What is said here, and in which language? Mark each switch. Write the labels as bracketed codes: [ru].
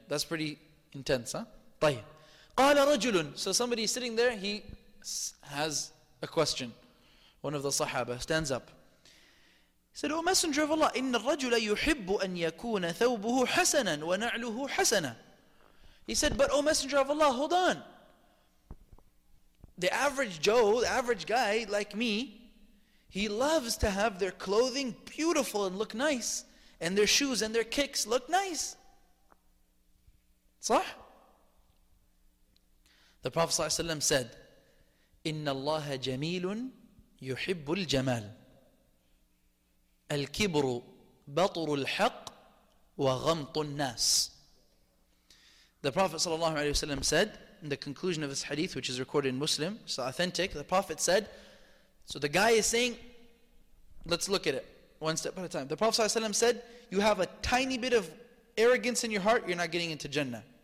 [en] That's pretty intense, huh? [ar] طيب, قال رجل, [en] so somebody is sitting there, he has a question. One of the Sahaba stands up. He said, O Messenger of Allah, [ar] إن الرجل يحب أن يكون ثوبه حسنا ونعله حسنا. [en] He said, but O Messenger of Allah, hold on. The average Joe, the average guy like me, he loves to have their clothing beautiful and look nice, and their shoes and their kicks look nice. [ar] صح? [en] The Prophet ﷺ said, [ar] إِنَّ اللَّهَ جَمِيلٌ يُحِبُّ الْجَمَالِ الْكِبْرُ بَطُرُ الْحَقِّ وَغَمْطُ النَّاسِ. [en] The Prophet sallallahu alaihi wasallam said, in the conclusion of this hadith, which is recorded in Muslim, so authentic, the Prophet said, so the guy is saying, let's look at it, one step at a time. The Prophet sallallahu alaihi wasallam said, you have a tiny bit of arrogance in your heart, you're not getting into Jannah.